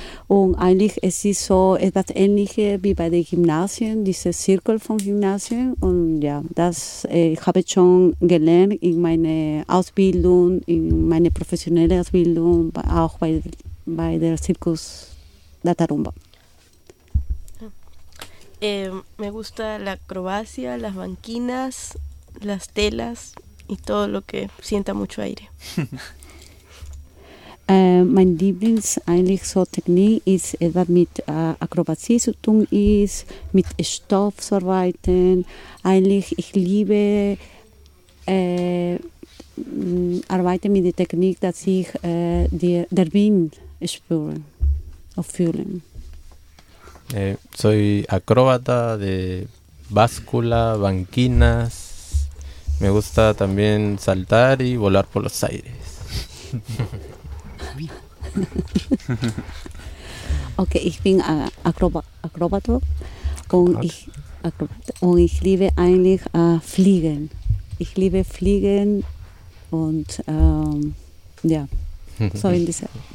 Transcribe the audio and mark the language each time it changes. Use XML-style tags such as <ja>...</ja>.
<de>Und eigentlich es ist es so etwas Ähnliches wie bei den Gymnasien, diese Zirkel von Gymnasien. Und ja, das habe ich schon gelernt in meiner Ausbildung, in meiner professionellen Ausbildung, auch bei der Zirkus La Tarumba.</de> <es>Me gusta la acrobacia, las banquinas, las telas y todo lo que sienta mucho aire.</es> <de>Mein Lieblings eigentlich so Technik ist etwa mit Akrobatie zu tun ist, mit Stoff zu arbeiten. Eigentlich ich liebe arbeiten mit der Technik, dass ich der Wind spüre und fühle.</de> <es>Soy acróbata de báscula, banquinas. Me gusta también saltar y volar por los aires.</es> <de>Okay, ich bin Akrobat und ich liebe eigentlich Fliegen. Ich liebe Fliegen und ja, so in dieser.</de>